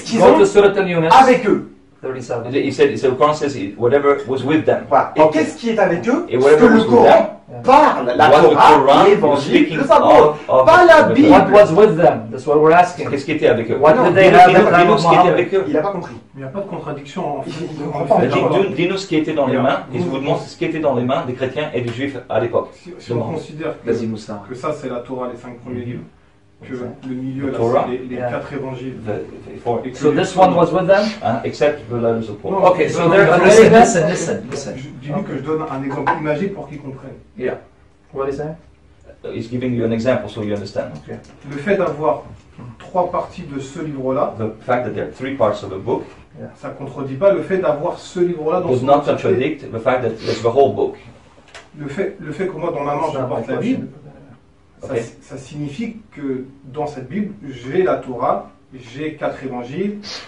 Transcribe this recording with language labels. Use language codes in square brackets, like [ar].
[en] what was the book in the hands of the Jews and Christians? He said, the Quran says whatever was with them. [fr] Voilà. Et qu'est-ce qui est avec eux? Ce que le Coran parle, la Torah, l'Évangile, le savoir, pas la Bible. [en] What was with them? That's what we're asking. [fr] Qu'est-ce qui était avec eux? [en] What did they have in their hands? [fr] Il n'a pas compris. Il n'y a pas de contradiction en fait. Dis-nous ce qui était dans les mains. Il vous demande ce qui était dans les mains des chrétiens et des juifs à l'époque. Si on considère que ça c'est la Torah, les cinq premiers livres. Que le milieu, c'est les quatre évangiles. [en] So this one was with them? Except the letters of Paul. Okay, so they're listen, listen, listen. [fr] Dis-lui que je donne un exemple imagé pour qu'ils comprennent. [en] Yeah. What is that? is giving you an example so you understand. Okay. [fr] Le fait d'avoir trois parties de ce livre-là. [en] The fact that there are three parts of a book. [fr] Ça contredit pas le fait d'avoir ce livre-là dans [en] son entier. Does not contradict the fact that there's the whole book. [fr] Le fait que moi dans ma main je porte la Bible. Okay. Ça signifie que dans cette Bible, j'ai la Torah, j'ai quatre évangiles.